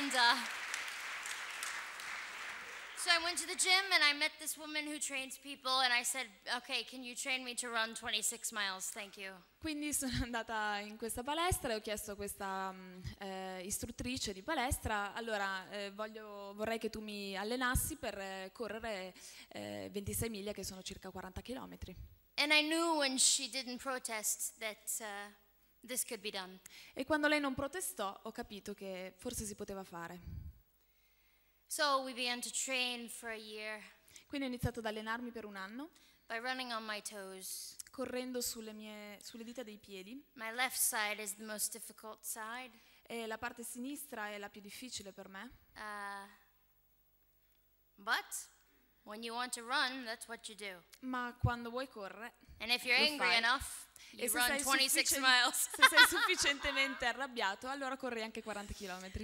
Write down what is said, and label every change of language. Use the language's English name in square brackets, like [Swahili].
[English] So I went to the gym and I met this woman who trains people and I said, "Okay, can you train me to run 26 miles? Thank you." [Italian] Quindi sono andata in questa palestra e ho chiesto a questa istruttrice di palestra, allora vorrei che tu mi allenassi per correre 26 miglia che sono circa 40 chilometri. [English] And I knew when she didn't protest that this could be done. [Italian] E quando lei non protestò, ho capito che forse si poteva fare. [English] So we began to train for a year. [Italian] Quindi ho iniziato ad allenarmi per un anno. [English] By running on my toes. [Italian] Correndo sulle dita dei piedi. [English] My left side is the most difficult side. [Italian] E la parte sinistra è la più difficile per me. [English] But when you want to run, that's what you do. [Italian] Ma quando vuoi correre. [English] And if you're angry enough, you run 26 miles. [Italian] Se sei sufficientemente arrabbiato, allora corri anche 40 chilometri.